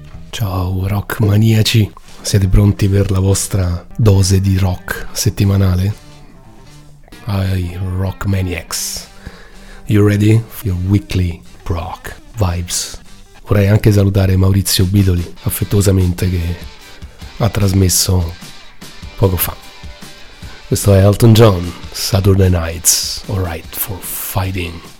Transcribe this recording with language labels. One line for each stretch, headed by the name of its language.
Italian: Ciao rock maniaci, siete pronti per la vostra dose di rock settimanale?
English: Ai rock maniacs, you ready for your weekly rock vibes?
Italian: Vorrei anche salutare Maurizio Bidoli affettuosamente che ha trasmesso poco fa. Questo è Elton John, Saturday Nights, all right for fighting.